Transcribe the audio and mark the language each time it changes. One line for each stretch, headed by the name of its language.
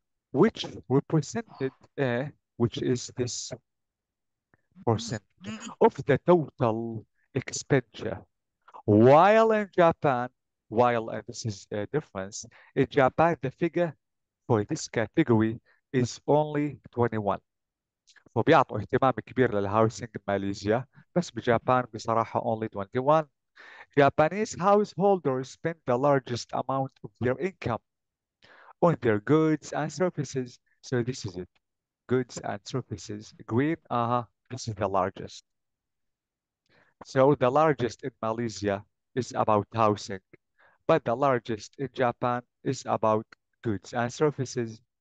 English: Which represented, which is this percentage of the total expenditure. While in Japan, this is a difference, in Japan, the figure for this category is only 21.
Arabic: فبيعطوا اهتمام كبير للهاوسينج ماليزيا، بس بجابان بصراحة
English: only 21. Japanese householders spend the largest amount of their income on their goods and services. So this is it. Goods and services. Green, this is the largest. So the largest in Malaysia is about housing, but the largest in Japan is about goods and services.